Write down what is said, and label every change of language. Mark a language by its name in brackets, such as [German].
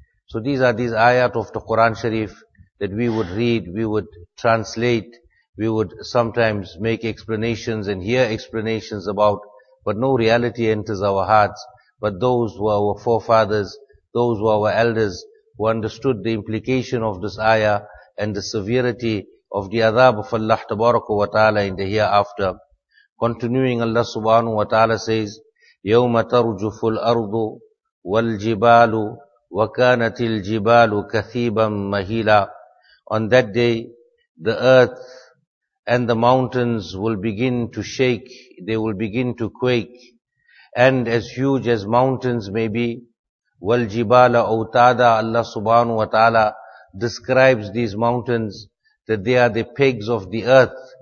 [English] So these ayat of the Quran Sharif that we would read, we would translate, we would sometimes make explanations and hear explanations about, but no reality enters our hearts. But those who are our forefathers, those who are our elders, who understood the implication of this ayah and the severity of the adab of Allah Tabaraka wa Ta'ala in the hereafter. Continuing, Allah subhanahu wa ta'ala says, [Arabic] يَوْمَ تَرْجُفُ الْأَرْضُ وَالْجِبَالُ وَكَانَتِ الْجِبَالُ كَثِيبًا مَهِيلًا. [English] On that day, the earth and the mountains will begin to shake, they will begin to quake, and as huge as mountains may be, [Arabic] وَالْجِبَالَ أَوْتَادًا. [English] Allah subhanahu wa ta'ala describes these mountains that they are the pegs of the earth.